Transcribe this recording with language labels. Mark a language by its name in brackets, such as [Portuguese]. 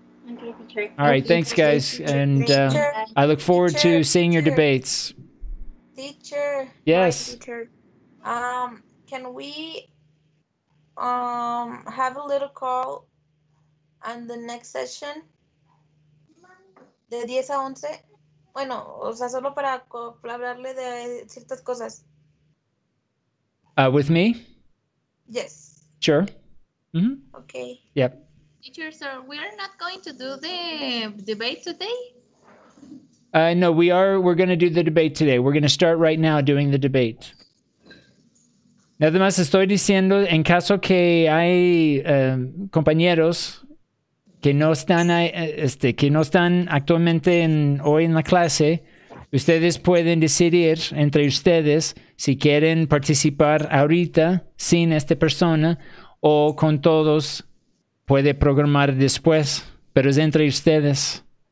[English] All right, thanks, guys. And I look forward to seeing your debates. Teacher. Yes. Can we have a little call on the next session? [Spanish] De 10 a 11. Bueno, o sea, solo para hablarle de ciertas cosas. [English] With me? Yes. Sure. Mm-hmm. Okay. Yep. Teacher, sir, we are not going to do the debate today? No, we are. We're going to do the debate today. We're going to start right now doing the debate. [Spanish] Nada más estoy diciendo, en caso que hay compañeros que no están que no están actualmente hoy en la clase, ustedes pueden decidir entre ustedes si quieren participar ahorita sin esta persona o con todos, puede programar después, pero es entre ustedes.